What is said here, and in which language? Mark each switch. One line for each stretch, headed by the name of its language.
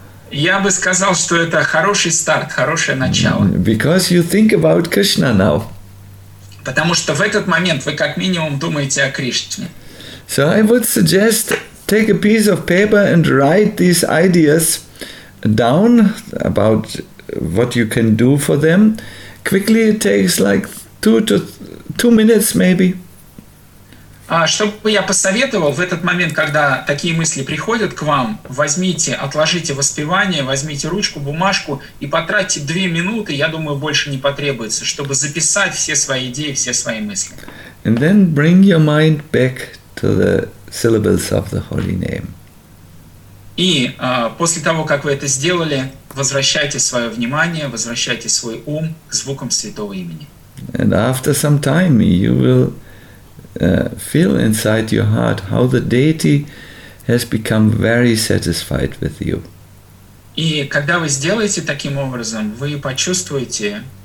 Russian: Я бы сказал, что это хороший старт, хорошее начало.
English: Because you think about Krishna now.
Russian: Потому что в этот момент вы как минимум думаете о Кришне.
English: So I would suggest take a piece of paper and write these ideas down about what you can do for them. Quickly, it takes like two minutes maybe.
Russian: Чтобы я посоветовал, в этот момент, когда такие мысли приходят к вам, возьмите, отложите воспевание, возьмите ручку, бумажку и потратьте 2 минуты, я думаю, больше не потребуется, чтобы записать все свои идеи, все свои мысли.
English: And then bring your mind back to the syllables of the holy name.
Russian: И после того, как вы это сделали, возвращайте свое внимание, возвращайте свой ум к звукам святого имени.
English: And after some time, you will feel inside your heart how the deity has become very satisfied with you.
Russian: И когда вы сделаете таким образом, вы почувствуете,